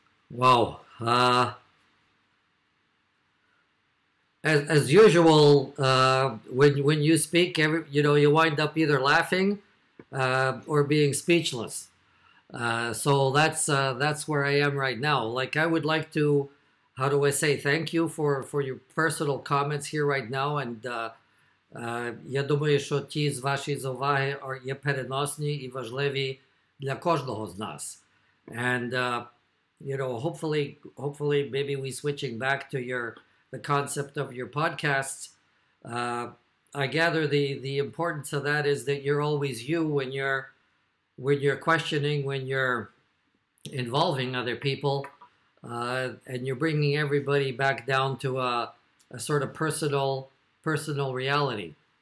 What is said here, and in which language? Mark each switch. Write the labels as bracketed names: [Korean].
[English] Well, As usual, when you speak, you wind up either laughing or being speechless. So that's where I am right now. Like, I would like to, how do I say, thank you for your personal comments here right now. [Ukrainian] And я думаю, що ті з ваші зауваги є переносні і важливі для кожного з нас. [English] And you know, hopefully maybe we switching back to the concept of your podcasts. I gather the importance of that is that you're always you when you're questioning, when you're involving other people, and you're bringing everybody back down to a sort of personal reality.